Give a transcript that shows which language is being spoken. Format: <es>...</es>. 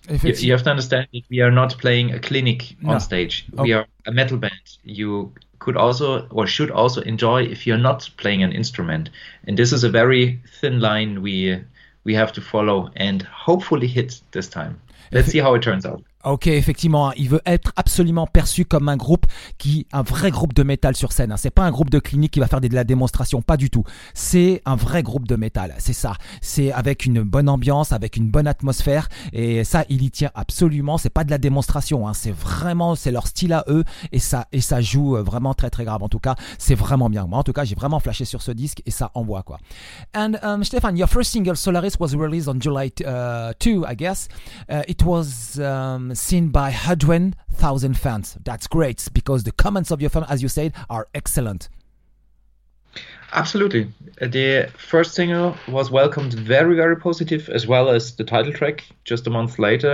<en>You have to understand that we are not playing a clinic on stage. Okay. We are a metal band. You could also or should also enjoy if you're not playing an instrument. And this is a very thin line we have to follow and hopefully hit this time. Let's see how it turns out.</en> <fr>Ok, effectivement, il veut être absolument perçu comme un groupe qui, un vrai groupe de métal sur scène. C'est pas un groupe de clinique qui va faire de la démonstration, pas du tout. C'est un vrai groupe de métal, c'est ça. C'est avec une bonne ambiance, avec une bonne atmosphère, et ça, il y tient absolument. C'est pas de la démonstration, hein. C'est vraiment, c'est leur style à eux, et ça joue vraiment très très grave. En tout cas, c'est vraiment bien. Moi, en tout cas, j'ai vraiment flashé sur ce disque, et ça envoie, quoi.</fr> <en>And Stefan, your first single Solaris was released on July 2, I guess. It was seen by 100,000 fans. That's great, because the comments of your fans, as you said, are excellent. Absolutely. The first single was welcomed very, very positive, as well as the title track just a month later.</en>